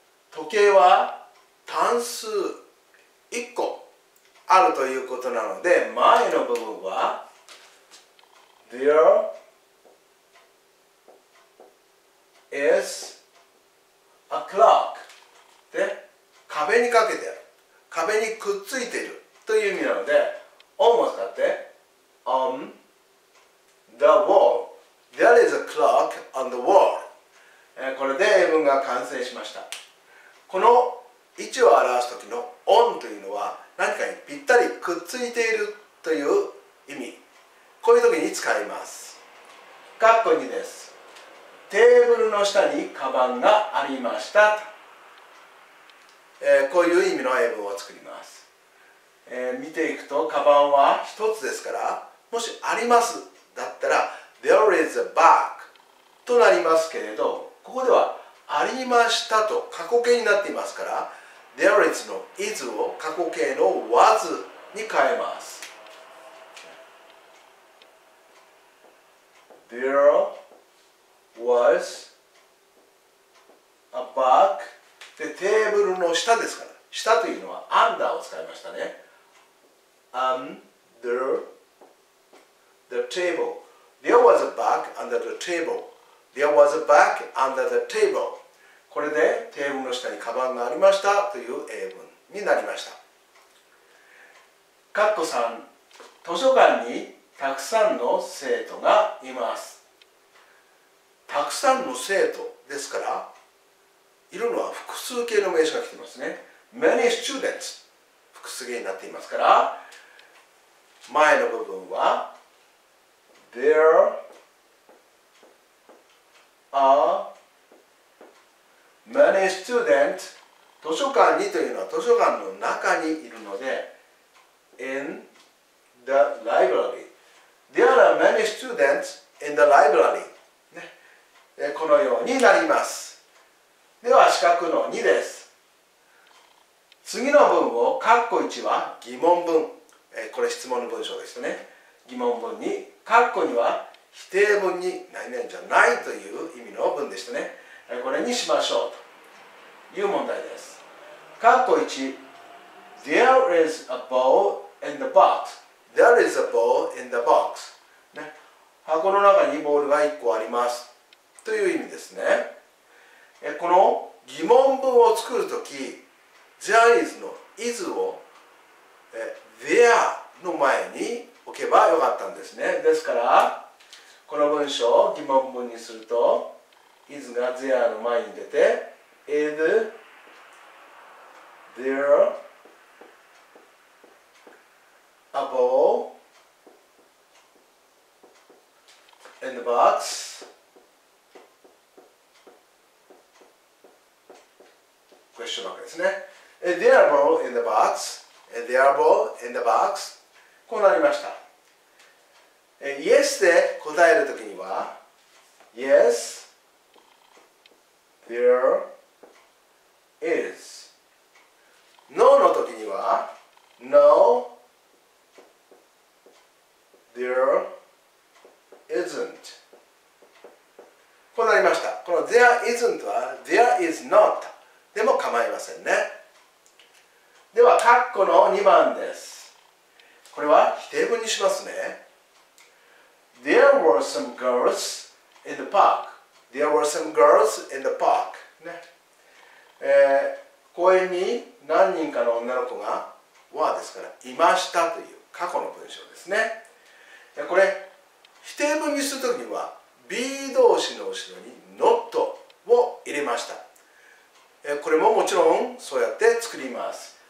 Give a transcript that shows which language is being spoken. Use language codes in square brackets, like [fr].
[ja] 時計は単数1個あるということなので、前の部分は [en] There is a clock. [ja] で、壁にかけてある。壁にくっついているという意味なので、on を使って、 [en] on the wall. There is a clock on the wall. [ja] これで英文が完成しました。この位置を表すときの on というのは、何かにぴったりくっついているという意味。こういう時に使います。括弧2です。テーブルの下にカバンがありました。こういう意味の英文を作ります。見ていくと、カバンは一つですから、もしありますだったら、 [en] There is a bag [ja] となりますけれど、ここではありましたと過去形になっていますから、There is の is を過去形の was に変えます。 [en] There was a bag. [ja] で、テーブルの下ですから、下というのは under を使いましたね。 [en] Under the table. There was a bag under the table. There was a bag under the table. [ja] これでテーブルの下にカバンがありましたという英文になりました。カッコ3、図書館にたくさんの生徒がいます。たくさんの生徒ですから、いるのは複数形の名詞が来てますね。 [en] Many students [ja] 複数形になっていますから、前の部分は [en] There are many students。 [ja] 図書館にというのは図書館の中にいるので、 [en] In the library There are many students in the library。 [ja] このようになります。では四角の2です。次の文を、括弧1は疑問文。これ質問の文章ですね。疑問文に、括弧2は否定文に何々じゃないという意味の文でしたね。これにしましょうという問題です。括弧1、 [en] There is a ball in the box. There is a ball in the box.、ね、 [ja] 箱の中にボールが1個あります。という意味ですね。この疑問文を作るとき、There is の is を There の前に置けばよかったんですね。ですから、この文章を疑問文にすると、is が There の前に出て、 [en] Is there a ball in the box? [ja] ですね。 [en] There are ball in the box. There are ball in the box. [ja] こうなりました。 Yes で答えるときには、 [en] Yes, there is. [ja] No のときには、 [en] No, there isn't. [ja] こうなりました。 [en] この there isn't は、there is not. [ja] でも構いませんね。では、括弧の2番です。これは否定文にしますね。 [en] There were some girls in the park. There were some girls in the park.、ね、 [ja] 公園に何人かの女の子が、はですから、いましたという過去の文章ですね。これ、否定文にするときには、 be 動詞の後ろに not を入れました。これももちろんそうやって作ります。